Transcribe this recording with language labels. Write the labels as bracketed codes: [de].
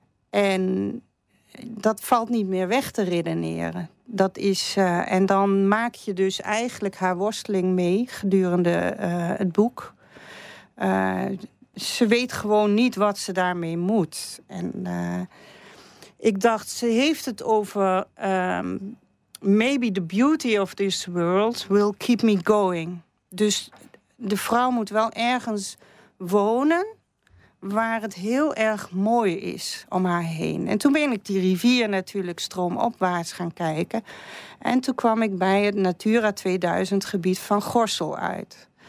[nl] En dat valt niet meer weg te redeneren. Dat is, en dan maak je dus eigenlijk haar worsteling mee gedurende het boek. Ze weet gewoon niet wat ze daarmee moet. En ik dacht, ze heeft het over... [en] Maybe the beauty of this world will keep me going. [nl] Dus de vrouw moet wel ergens wonen waar het heel erg mooi is om haar heen. En toen ben ik die rivier natuurlijk stroomopwaarts gaan kijken. En toen kwam ik bij het Natura 2000 gebied van Gorssel uit.